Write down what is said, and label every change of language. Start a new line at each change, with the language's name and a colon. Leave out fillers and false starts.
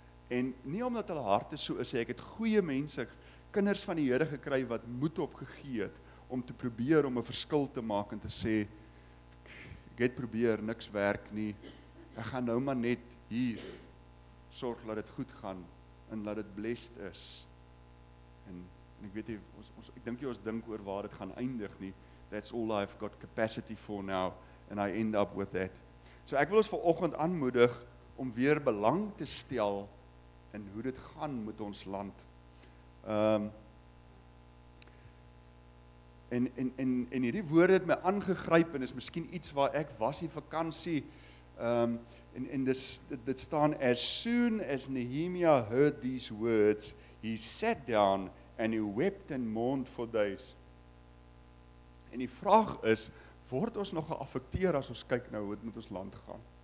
Afrikaans: En nie omdat hulle harte so is, ek het goeie mense, kinders van die Here gekry wat moed opgegee het om te probeer om 'n verskil te maak en te sê, ek het probeer, niks werk nie, ek gaan nou maar net hier sorg dat dit goed gaan en dat dit blessed is. En ek weet nie, ons dink oor waar dit gaan eindig nie.
English: That's all I've got capacity for now, and I end up with that.
Afrikaans: So ek wil ons vanoggend aanmoedig om weer belang te stel in hoe dit gaan met ons land. En hierdie woorde het my aangegryp en is miskien iets waar ek was in vakansie. Dit staan,
English: as soon as Nehemia heard these words, he sat down and he wept and mourned for days.
Afrikaans: En die vraag is, word ons nog geaffekteer as ons kyk nou hoe dit met ons land gaan?